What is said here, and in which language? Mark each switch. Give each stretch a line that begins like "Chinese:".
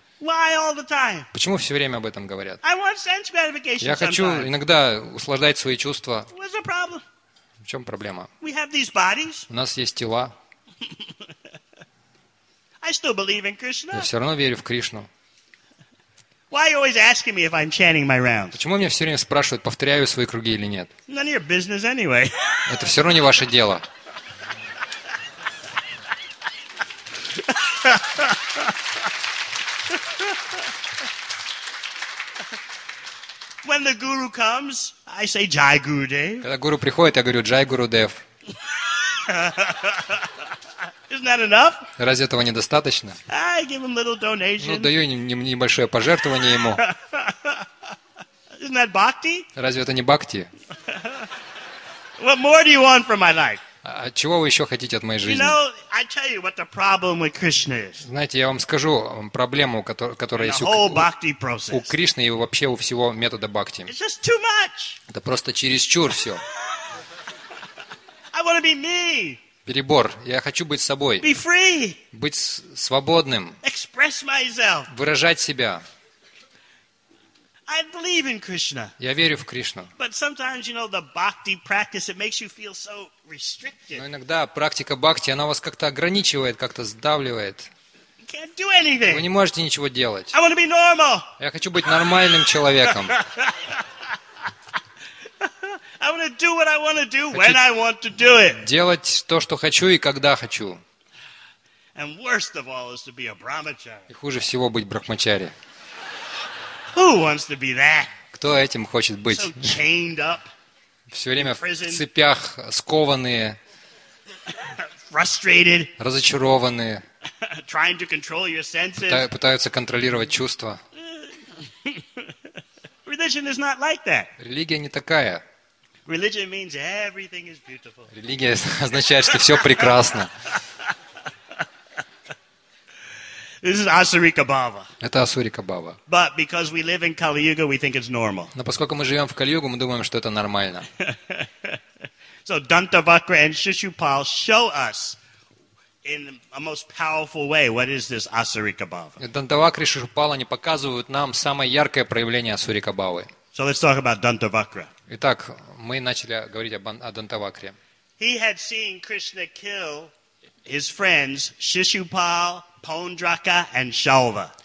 English: Why all the time?
Russian: Почему все время об этом говорят?
English: I want sense gratification.
Russian: Я хочу иногда услаждать свои чувства.
English: What's the problem?
Russian: В чем проблема?
English: We have these bodies.
Russian: У нас есть тела.
English: I still believe in Krishna.
Russian: Я все равно верю в Кришну.
English: Why are you always asking me if I'm chanting my rounds?
Russian: Почему меня все время спрашивают, повторяю свои круги или нет?
English: None of your business anyway.
Russian: Это все равно не ваше дело.
English: When the guru comes, I say Jai Gurudev.
Russian: Когда гуру приходит, я говорю Джай Гурудев.
English: Isn't that enough?
Russian: Разве этого недостаточно?
English: I give him little donations.
Russian: Ну, даю небольшое пожертвование ему.
English: Isn't that bhakti?
Russian: Разве это не бхакти?
English: What more do you want from my life?
Russian: А чего вы еще хотите от моей жизни?
English: You know, I tell you what the problem with Krishna is.
Russian: Знаете, я вам скажу проблему, которая есть у Кришны и вообще у всего метода бхакти.
English: It's just too much.
Russian: Это просто чересчур все.
English: I want to be me.
Russian: Перебор. Я хочу быть собой.
English: Be free.
Russian: Быть свободным.
English: Express myself.
Russian: Выражать себя.
English: I believe in Krishna.
Russian: Я верю в Кришну.
English: But sometimes, you know, the bhakti practice, it makes you feel so restricted.
Russian: Но иногда практика бхакти, она вас как-то ограничивает, как-то сдавливает.
English: You can't do anything.
Russian: Вы не можете ничего делать.
English: I want to be normal.
Russian: Я хочу быть нормальным человеком.
English: I want to do what I want to do when I want to do it.
Russian: Делать то, что хочу и когда хочу.
English: And worst of all is to be a brahmachari.
Russian: И хуже всего быть брахмачари.
English: Who wants to be that?
Russian: Кто этим хочет быть?
English: So chained up.
Russian: Все время в цепях, скованные.
English: Frustrated.
Russian: Разочарованные.
English: Trying to control your senses.
Russian: Пытаются контролировать чувства.
English: Religion is not like that.
Russian: Религия не такая.
English: Religion means everything is beautiful.
Russian: Религия означает, что все прекрасно.
English: This is Asurika Bhava.
Russian: Это Асурика Бхава.
English: But because we live in Kali Yuga, we think it's normal.
Russian: Но поскольку мы живем в Кали-Югу, мы думаем, что это нормально.
English: So Dantavakra and Shishupal show us In a most powerful way, what is this Asurika Bhava?
Russian: Дантавакри Шишупала не показывают нам самое яркое проявление Асурика Бхавы.
English: So let's talk about Дантавакра.
Russian: Итак, мы начали говорить о Дантавакре.
English: He had seen Krishna kill his friends Шишупал, Пондрака and Шалва.